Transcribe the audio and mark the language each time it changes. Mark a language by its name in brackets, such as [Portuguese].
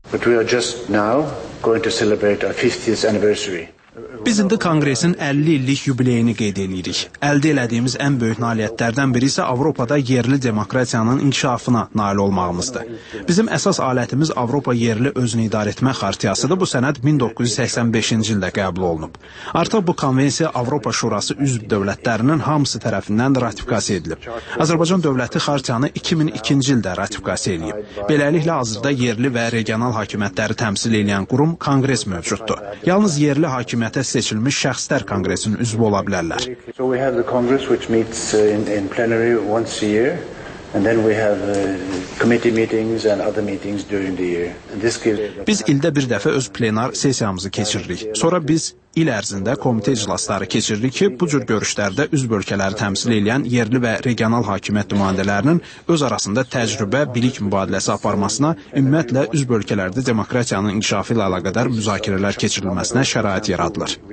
[English] But we are just now going to celebrate our 50th anniversary. [Azerbaijani] Biz indi Konqresin 50 illik yubileyini qeyd edirik. Əldə elədiyimiz ən böyük nailiyyətlərdən biri isə Avropada yerli demokratiyanın inkişafına nail olmağımızdır. Bizim əsas alətimiz Avropa Yerli Özünü İdarə Etmə Xartiyasıdır. Bu sənəd 1985-ci ildə qəbul olunub. Artıq bu konvensiya Avropa Şurası üzv dövlətlərinin hamısı tərəfindən ratifikasiya edilib. Azərbaycan dövləti xartiyanı 2002-ci ildə ratifikasiya edib. Beləliklə, hazırda yerli və regional hakimiyyətləri təmsil edən qurum Konqres mövcuddur. Yalnız yerli hakimiyyət seçilmiş şəxslər Konqresin üzvü ola bilərlər. [English] So we have the Congress which meets in plenary once a year and then we have committee meetings and other meetings during the year. [Azerbaijani] Biz ildə bir dəfə öz plenar sessiyamızı keçiririk. Sonra biz İl ərzində komitə iclasları keçirdik ki, bu cür görüşlərdə üzv ölkələri təmsil edən yerli və regional hakimiyyət nümayəndələrinin öz arasında təcrübə, bilik mübadiləsi aparmasına, ümumiyyətlə üzv ölkələrdə demokratiyanın inkişafı ilə əlaqədar müzakirələr keçirilməsinə şərait yaradılır.